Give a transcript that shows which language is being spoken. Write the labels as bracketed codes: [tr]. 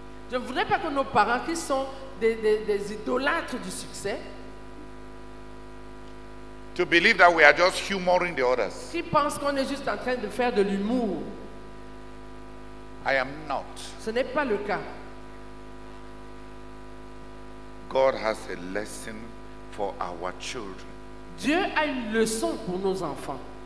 [fr] Je ne voudrais pas que nos parents qui sont des idolâtres du succès. [en] To believe that we are just humoring the others. [fr] Qui pense qu'on est juste en train de faire de l'humour. [en] I am not. [fr] Ce n'est pas le cas. [en] God has a lesson for our children. [fr] Dieu a une leçon pour nos enfants.